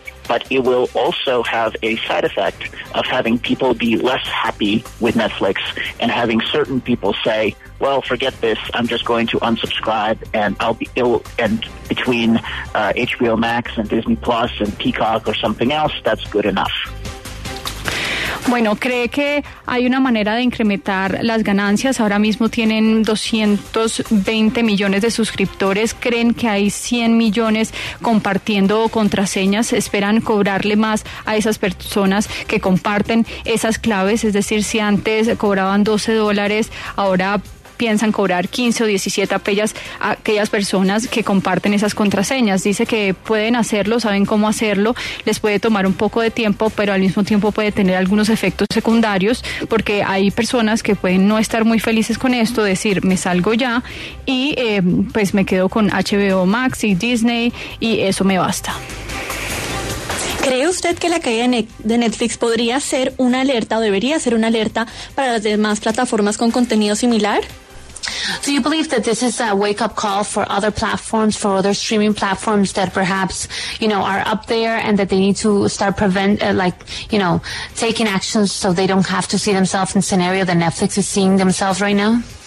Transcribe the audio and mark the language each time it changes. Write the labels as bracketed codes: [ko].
[en] But it will also have a side effect of having people be less happy with Netflix and having certain people say, well, forget this, I'm just going to unsubscribe, and I'll be ill. And between HBO Max and Disney Plus and Peacock or something else, that's good enough. [es] Bueno, ¿cree que hay una manera de incrementar las ganancias? Ahora mismo tienen 220 millones de suscriptores. ¿Creen que hay 100 millones compartiendo contraseñas? ¿Esperan cobrarle más a esas personas que comparten esas claves? Es decir, si antes cobraban $12, ahora piensan cobrar 15 o 17 apellas a aquellas personas que comparten esas contraseñas. Dice que pueden hacerlo, saben cómo hacerlo, les puede tomar un poco de tiempo, pero al mismo tiempo puede tener algunos efectos secundarios, porque hay personas que pueden no estar muy felices con esto, decir, me salgo ya y pues me quedo con HBO Max y Disney y eso me basta. ¿Cree usted que la caída de Netflix podría ser una alerta o debería ser una alerta para las demás plataformas con contenido similar? [en] Do you believe that this is a wake-up call for other platforms, for other streaming platforms that perhaps, you know, are up there and that they need to start taking actions so they don't have to see themselves in the scenario that Netflix is seeing themselves right now?